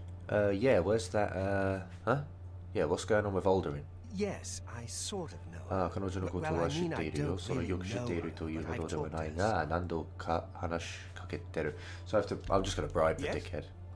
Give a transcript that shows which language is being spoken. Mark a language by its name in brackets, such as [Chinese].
[English] Yeah, where's that, Yeah, what's going on with Alderin? Yes, I sort of know. [Japanese] Ah, 彼女のことは知っているよ。それよく知っているというほどではないが、何度か話しかけてる。 [English] So I'm just going to bribe the dickhead.